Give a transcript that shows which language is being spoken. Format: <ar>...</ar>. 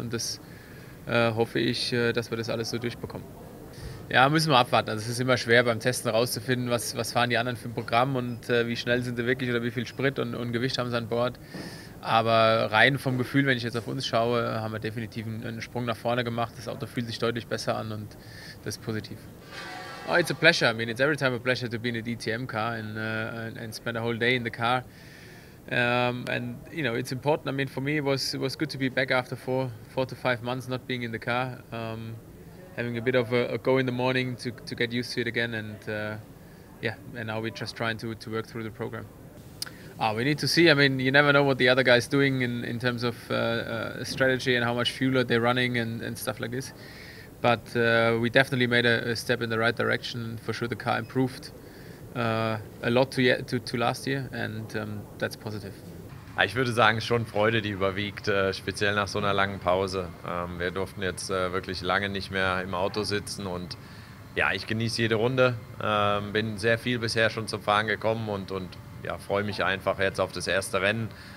<de>Und das hoffe ich, dass wir das alles so durchbekommen. Ja, müssen wir abwarten. Also, es ist immer schwer beim Testen rauszufinden, was fahren die anderen für ein Programm und wie schnell sind sie wirklich oder wie viel Sprit und Gewicht haben sie an Bord. Aber rein vom Gefühl, wenn ich jetzt auf uns schaue, haben wir definitiv einen Sprung nach vorne gemacht. Das Auto fühlt sich deutlich besser an und das ist positiv.</de> <en>Oh, it's a pleasure. I mean, it's every time a pleasure to be in a DTM car and spend a whole day in the car. And you know, it's important. I mean, for me, it was good to be back after 4 to 5 months not being in the car, having a bit of a go in the morning to get used to it again. And now we're just trying to work through the program. We need to see. I mean, you never know what the other guy's doing in terms of strategy and how much fuel are they running and stuff like this. But we definitely made a step in the right direction. For sure, the car improved a lot to last year, and that's positive.</en> <de>Ich würde sagen, schon Freude, die überwiegt, speziell nach so einer langen Pause. Wir durften jetzt wirklich lange nicht mehr im Auto sitzen und ja, ich genieße jede Runde. Bin sehr viel bisher schon zum Fahren gekommen und ja, freue mich einfach jetzt auf das erste Rennen.</de>